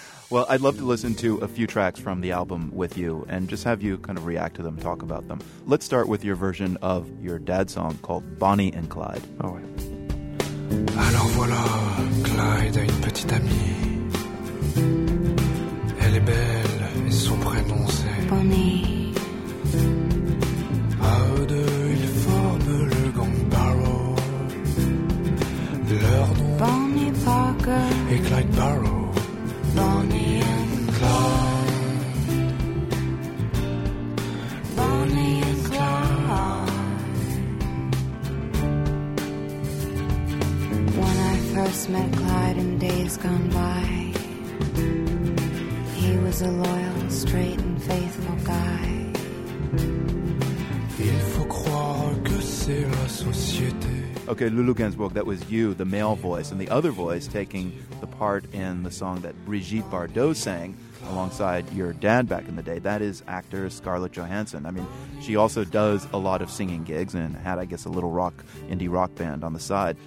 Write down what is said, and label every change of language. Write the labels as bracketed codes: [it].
[en] Well, I'd love to listen to a few tracks from the album with you and just have you kind of react to them, talk about them. Let's start with your version of your dad's song called Bonnie and Clyde. Oh, wait. [fr] Alors voilà, Clyde a une petite amie. Elle est belle et son prénom c'est Bonnie. À eux deux, ils forment le gang Barrow. Leur nom Bonnie Parker et Clyde Barrow. [en] Bonnie and Clyde. First met Clyde in days gone by. He was a loyal, straight and faithful guy. [fr] Il faut croire que c'est la société. [en] Okay, Lulu Gainsbourg, that was you, the male voice, and the other voice taking the part in the song that Brigitte Bardot sang alongside your dad back in the day. That is actor Scarlett Johansson. I mean, she also does a lot of singing gigs and had, I guess, a little rock, indie rock band on the side.